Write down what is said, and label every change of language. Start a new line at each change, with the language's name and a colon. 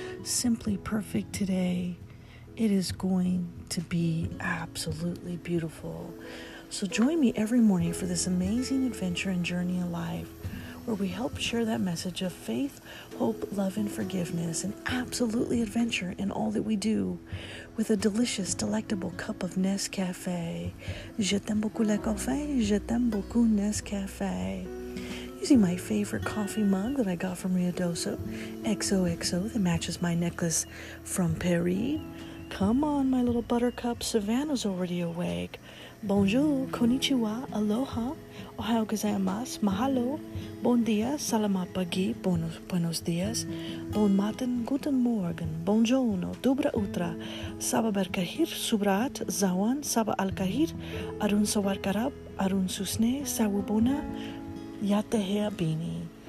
English: Simply perfect today. It is going to be absolutely beautiful. So join me every morning for this amazing adventure and journey in life, where we help share that message of faith, hope, love, and forgiveness, and absolutely adventure in all that we do with a delicious, delectable cup of Nescafé.
French: Je t'aime beaucoup le café, je t'aime beaucoup Nescafé.
English: Using my favorite coffee mug that I got from Rio Doso, XOXO, that matches my necklace from Paris. Come on, my little buttercup, Savannah's already awake. Bonjour, konnichiwa, aloha, ohayo gozaimasu, mahalo, bon dia, salamat pagi, buenos dias, bon matin, guten morgen, bonjourno, dobra utra, saba berkahir, subrat, zawan, saba alkahir, arun sawar karab, arun susne, sawubona, yatahea bini.